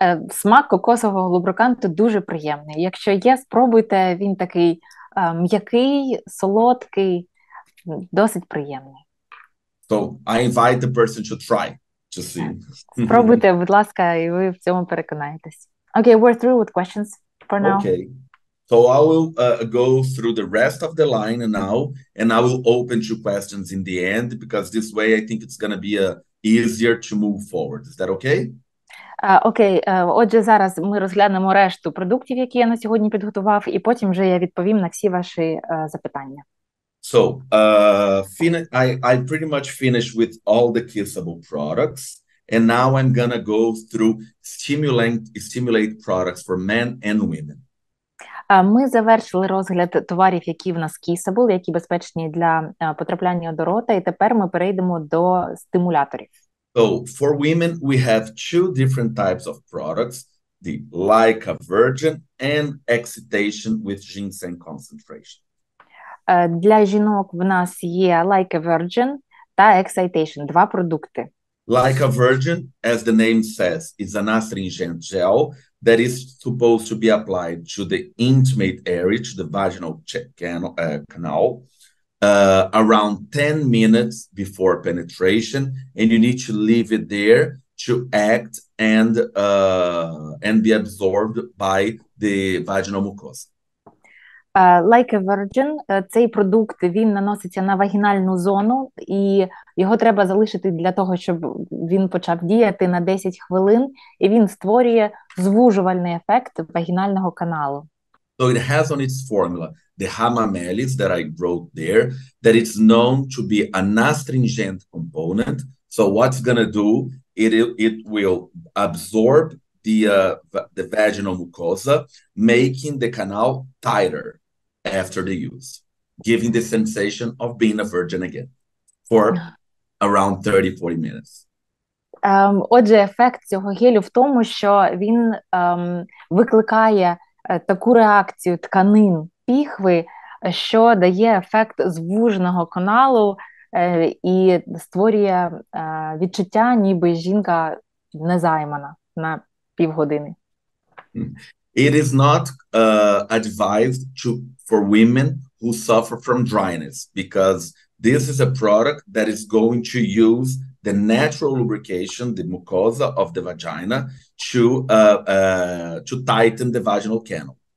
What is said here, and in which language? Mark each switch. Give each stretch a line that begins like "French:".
Ukrainian: Смак кокосового лубриканту дуже приємний. Якщо є, спробуйте, він такий м'який, солодкий, досить приємний.
English: So, I invite the person to try, to see.
Ukrainian: Спробуйте, будь ласка, і ви в цьому переконаєтесь.
English: Okay, we're through with questions for now. Okay, so I will go through the rest of the line now, and I will open to questions in the end, because this way I think it's going to be easier to move forward. Is that okay?
Ukrainian: Окей, отже, зараз ми розглянемо решту продуктів, які я на сьогодні підготував, і потім вже я відповім на всі ваші запитання.
English: So, I pretty much finished with all the kissable products, and now I'm gonna go through stimulate products for men and women.
Ukrainian: Ми завершили розгляд товарів, які в нас kissable, які безпечні для потрапляння до рота, і тепер ми перейдемо до стимуляторів.
English: So, for women, we have two different types of products, the Lyca Virgin and Excitation with Ginseng Concentration.
Ukrainian: Для жінок в нас є Lyca Virgin та Excitation, два продукти.
English: Lyca Virgin, as the name says, is an astringent gel that is supposed to be applied to the intimate area, to the vaginal canal, around 10 minutes before penetration, and you need to leave it there to act and be absorbed by the vaginal mucosa.
Ukrainian: Like a virgin, цей продукт, він наноситься на вагінальну зону, і його треба залишити для того, щоб він почав діяти на 10 хвилин, і він створює звужувальний ефект вагінального каналу.
English: So it has on its formula the hamamelis that I wrote there, that it's known to be an astringent component. So what's going to do? It will absorb the vaginal mucosa, making the canal tighter after the use, giving the sensation of being a virgin again for around 30-40 minutes.
Ukrainian: Отже, ефект цього гелю в тому, що він викликає таку реакцію тканин піхви, що дає ефект звуженого каналу і створює відчуття, ніби жінка не займана на півгодини.
English: It is not advised for women who suffer from dryness, because this is a product that is going to use the natural lubrication, the mucosa of the vagina, to tighten the vaginal canal.